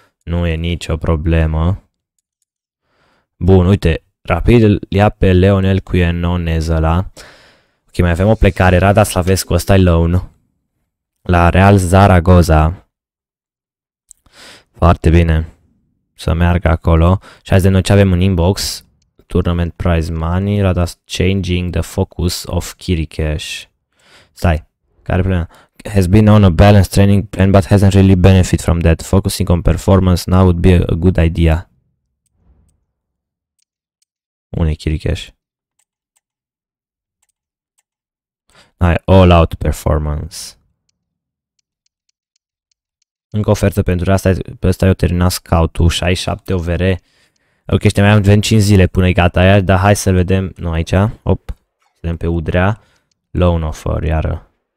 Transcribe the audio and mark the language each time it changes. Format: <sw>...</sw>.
<ro>Nu e nicio problemă. Bun, uite, Rapid îl ia pe Leonel cu Enonez ăla. Ok, mai avem o plecare, Rada Slavescu, ăsta-i loan. La Real Zaragoza. Foarte bine. Să meargă acolo. Și azi de noi ce avem în inbox?</ro> <en>Tournament prize money, Rada changing the focus of Kirikeș.</en> <ro>Stai, care problema?</ro> <en>Has been on a balanced training plan but hasn't really benefit from that. Focusing on performance now would be a good idea.</en> <ro>Unde e Kirikeș?</ro> <en>Hai, all out performance.</en> <ro>Încă ofertă pentru asta, pe ăsta eu terminat scout-ul, 67 OVR. Ok, știi, mai am 25 zile până e gata aia, dar hai să vedem, nu aici, op, vedem pe Udrea, loan offer, iară.</ro>